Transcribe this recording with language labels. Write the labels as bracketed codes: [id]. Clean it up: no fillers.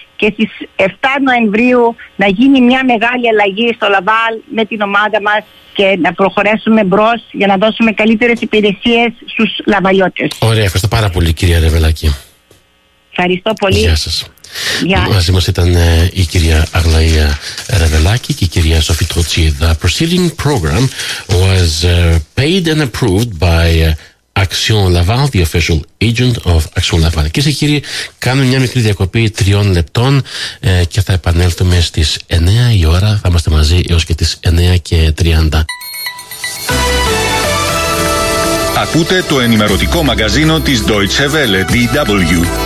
[el] Και στις 7 Νοεμβρίου να γίνει μια μεγάλη αλλαγή στο Λαβάλ με την ομάδα μας και να προχωρέσουμε μπρος για να δώσουμε καλύτερες υπηρεσίες στους λαβαλιώτες. Ωραία, ευχαριστώ πάρα πολύ, κυρία Ρεβελάκη. Ευχαριστώ πολύ. Γεια σας. Μαζί μας ήταν η κυρία Αγλαία Ρεβελάκη και η κυρία Σοφή Τροτσί. [en] The proceeding program was paid and approved by Action Laval, the official agent of Action Laval. [el] Και σε κύριε, κάνουμε μια μικρή διακοπή 3 λεπτών και θα επανέλθουμε στις 9 η ώρα. Θα είμαστε μαζί έως και τις 9:30. Ακούτε το ενημερωτικό μαγκαζίνο της Deutsche Welle, DW.